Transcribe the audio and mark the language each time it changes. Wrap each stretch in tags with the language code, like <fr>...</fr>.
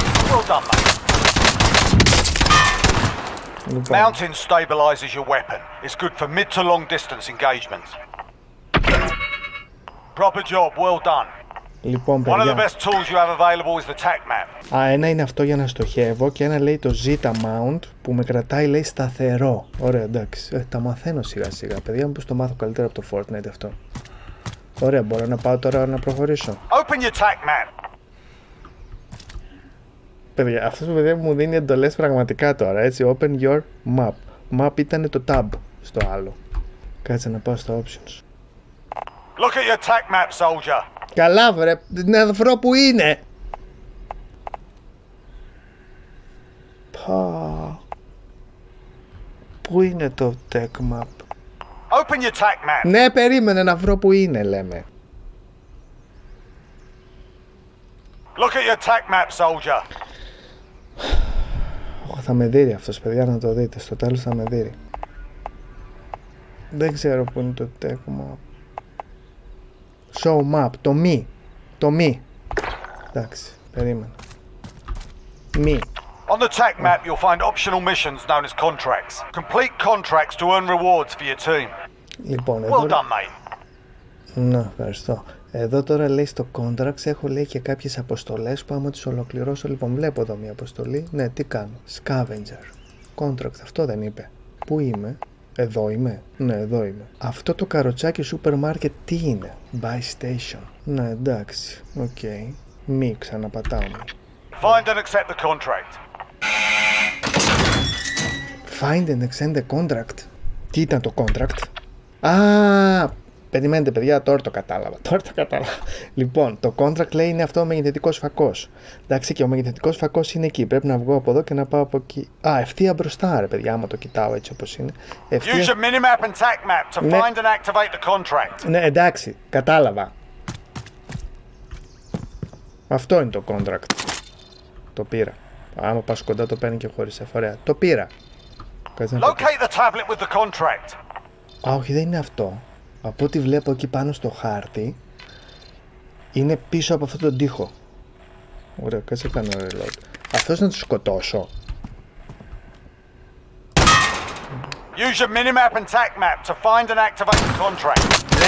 <en>Well done, mate.</en> <el>Λοιπόν.</el> <en>Mounting stabilizes your weapon. It's good for mid to long distance engagements. Proper job, well done.</en> <el>Λοιπόν, παιδιά.</el> <en>One of the best tools you have available is the tac map.</en> <el>Α, ένα είναι αυτό για να στοχεύω και ένα λέει το zeta mount που με κρατάει λέει σταθερό. Ωραία, εντάξει. Τα μαθαίνω σιγά σιγά. Παιδιά, μήπως το μάθω καλύτερα από το Fortnite αυτό. Ωραία, μπορώ να πάω τώρα να προχωρήσω.</el> <en>Open your tac map.</en> <el>Παιδιά, αυτός παιδιά μου δίνει εντολές πραγματικά τώρα, έτσι.</el> <en>Open your map.</en> <el>Map ήταν το tab στο άλλο. Κάτσε να πάω στα options.</el> <en>Look at your tac map, soldier.</en> <el>Καλά βρε, να βρω που είναι. Πού είναι το tac map?</el> <en>Open your tac map.</en> <el>Ναι, περίμενε να βρω που είναι, λέμε.</el> <en>Look at your tac map, soldier.</en> <el>Θα με δείρει αυτός, παιδιά, να το δείτε. Στο τέλος θα με δείρει. Δεν ξέρω που είναι το tac map.</el> <en>Show map,</en> <el>το μη. Το μη. Εντάξει, περίμενε. Μη.</el> <en>On the tech map you'll find optional missions known as contracts. Complete contracts to earn rewards for your team.</en> <el>Λοιπόν,</el> <en>well done, mate.</en> <el>Να, ευχαριστώ. Εδώ τώρα λέει στο contracts έχω λέει και κάποιες αποστολές που άμα τις ολοκληρώσω, λοιπόν βλέπω εδώ μια αποστολή. Ναι, τι κάνω. Scavenger. Contract, αυτό δεν είπε. Πού είμαι. Εδώ είμαι. Ναι, εδώ είμαι. Αυτό το καροτσάκι σούπερ μάρκετ τι είναι.</el> <en>Buy station.</en> <el>Ναι, εντάξει. Οκ. Okay. Μη ξαναπατάω.</el> <en>Find and accept the contract. Find and accept the contract.</en> <el>Τι ήταν το contract. Α, περιμένετε παιδιά, τώρα το κατάλαβα. Τώρα το κατάλαβα. Λοιπόν, το contract λέει είναι αυτό ο μαγνητικός φακός. Εντάξει, και ο μαγνητικός φακός είναι εκεί. Πρέπει να βγω από εδώ και να πάω από εκεί. Α, ευθεία μπροστά, ρε παιδιά, άμα το κοιτάω έτσι όπως είναι. Ευθεία...</el> <en>Use your minimap and tac map to ναι. Find and activate the contract.</en> <el>Ναι, εντάξει, κατάλαβα. Αυτό είναι το contract. Το πήρα. Άμα πας κοντά το παίρνει και χωρίς εφορία. Το πήρα.</el> <en>Locate the tablet with the contract.</en> <el>Α, όχι, δεν είναι αυτό. Από ό,τι βλέπω εκεί πάνω στο χάρτη είναι πίσω από αυτόν τον τοίχο. Ωραία, κάτσε κάνω reload. Αυτός να τους σκοτώσω.</el> <en>Use your minimap and tac map to find and activate the contract.</en>